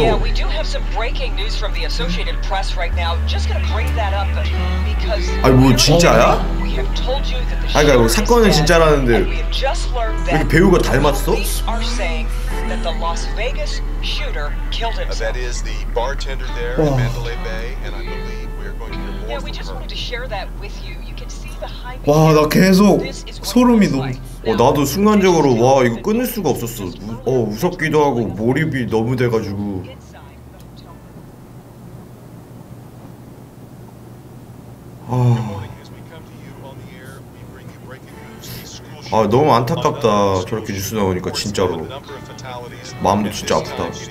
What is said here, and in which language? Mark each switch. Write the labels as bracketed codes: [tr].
[en] Yeah, we do have some breaking news from the Associated Press right now. Just gonna bring that up because. [ko] 아니 뭐 진짜야? 아니 그러니까 뭐 사건은 진짜라는데. 왜 배우가 닮았어? [en] That the Las Vegas shooter killed himself. That is the bartender there in Mandalay Bay, and I believe we're going to hear more. Yeah, we just wanted to share that with you. You can see the high. [ko] 와 나 계속 소름이 돋. 나도 순간적으로 와 이거 끊을 수가 없었어. 무섭기도 하고 몰입이 너무 돼가지고. 아 너무 안타깝다 저렇게 뉴스 나오니까 진짜로 마음도 진짜 아프다.